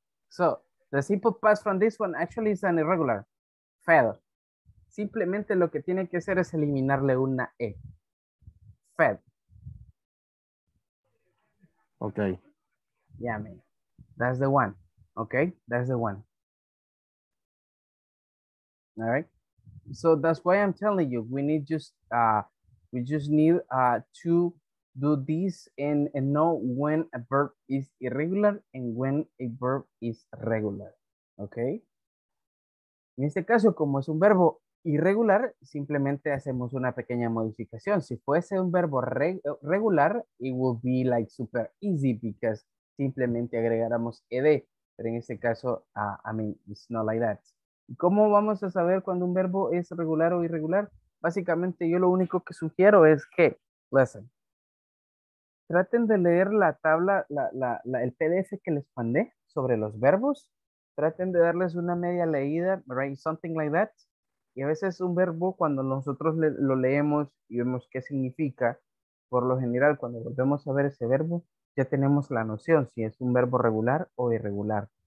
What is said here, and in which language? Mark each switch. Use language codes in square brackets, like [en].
[en] So, the simple past from this one actually is an irregular. Fed. [es] Simplemente lo que tiene que hacer es eliminarle una E. [en] Fed. Okay. Yeah, man. That's the one. Okay? That's the one. All right? So that's why I'm telling you, we need just to do this and know when a verb is irregular and when a verb is regular. Okay. [es] En este caso, como es un verbo irregular, simplemente hacemos una pequeña modificación. Si fuese un verbo regular, [en] it would be like super easy because [es] simplemente agregáramos ed. Pero en este caso, [en] I mean, it's not like that. [es] ¿Cómo vamos a saber cuando un verbo es regular o irregular? Básicamente, yo lo único que sugiero es que, listen, traten de leer la tabla, el PDF que les mandé sobre los verbos. Traten de darles una media leída, right? [en] Something like that. [es] Y a veces un verbo, cuando nosotros lo leemos y vemos qué significa, por lo general, cuando volvemos a ver ese verbo, ya tenemos la noción si es un verbo regular o irregular.